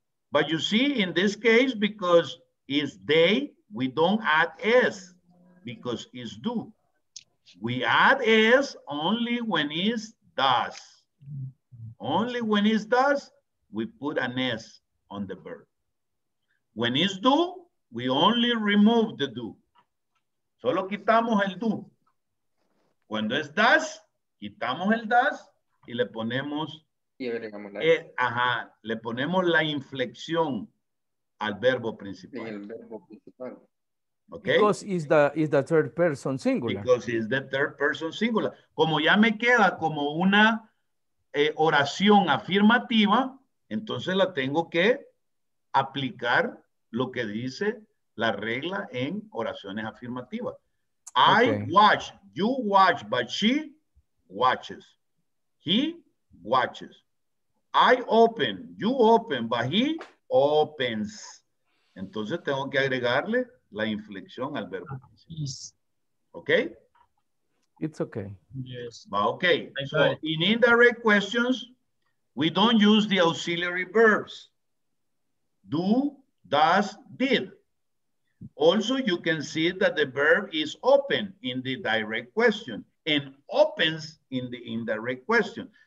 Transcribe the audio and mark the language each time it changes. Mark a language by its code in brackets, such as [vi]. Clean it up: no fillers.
[en] But you see, in this case, because is they, we don't add S because it's do. We add S only when it's does. Only when it's does, we put an S on the verb. When it's do, we only remove the do. [es] Solo quitamos el do. Cuando es does, quitamos el does y le ponemos, le ponemos la inflexión al verbo principal. El verbo principal. [en] Okay. Because is the third person singular. Because it's the third person singular. [es] Como ya me queda como una oración afirmativa, entonces la tengo que aplicar lo que dice la regla en oraciones afirmativas. [en] Okay. I watch, you watch, but she watches. He watches. I open, you open, but he opens. [es] Entonces tengo que agregarle la inflexión al verbo. [en] Okay? It's okay. Yes. But okay. So in indirect questions, we don't use the auxiliary verbs. Do, does, did. Also, you can see that the verb is open in the direct question and opens in the indirect question.